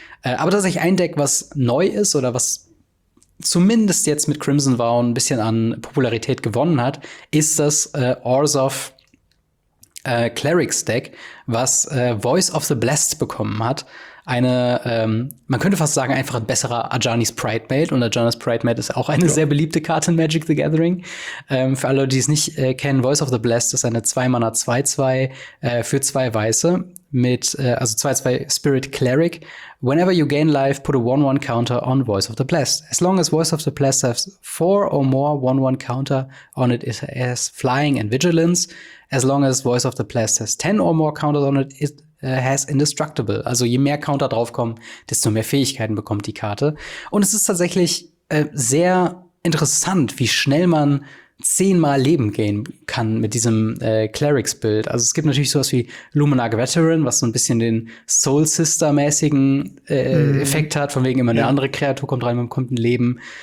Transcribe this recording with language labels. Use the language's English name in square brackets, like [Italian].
[German] Aber tatsächlich ein Deck, was neu ist oder was zumindest jetzt mit Crimson Vow ein bisschen an Popularität gewonnen hat, ist das Orzhov Clerics Deck, was Voice of the Blessed bekommen hat. Eine, man könnte fast sagen, einfach ein besserer Ajani's Pride Mate. Und Ajani's Pride Mate ist auch eine sehr beliebte Karte in Magic the Gathering. Für alle, die es nicht kennen, Voice of the Blessed ist eine 2-Mana 2-2 für zwei Weiße. Mit, also 2-2 Spirit Cleric. [English] Whenever you gain life, put a 1-1 Counter on Voice of the Blessed. As long as Voice of the Blessed has 4 or more 1-1 Counter on it, it has Flying and Vigilance. As long as Voice of the Blessed has 10 or more Counters on it, it has Indestructible. [German] Also je mehr Counter draufkommen, desto mehr Fähigkeiten bekommt die Karte. Und es ist tatsächlich sehr interessant, wie schnell man 10-mal Leben gehen kann mit diesem Clerics-Build. Also es gibt natürlich sowas wie Luminarg Veteran, was so ein bisschen den Soul-Sister-mäßigen Effekt hat, von wegen immer eine andere Kreatur kommt rein, man bekommt ein Leben.